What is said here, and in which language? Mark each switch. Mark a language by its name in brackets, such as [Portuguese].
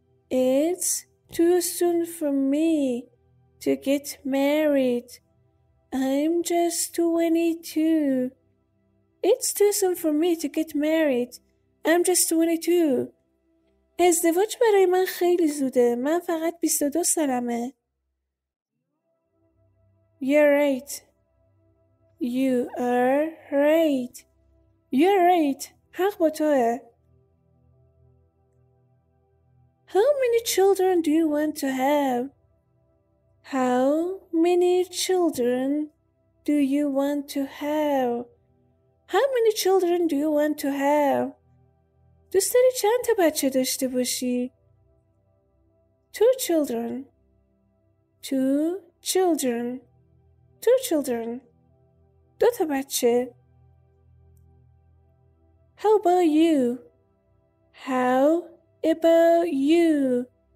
[English] It's too soon for me to get married. I'm just 22. It's too soon for me to get married. I'm just 22. [Persian] ازدواج برای من خیلی زوده. من فقط 22 سالمه. [English] You're right. You are right. You're right. [Persian] حق با توه. [English] How many children do you want to have? How many children do you want to have? How many children do you want to have? [Persian] دوست داری چند تا بچه داشته باشی؟ [English] Two children. Two children. Two children. [Persian] دو تا بچه. [English] How about you? How about you?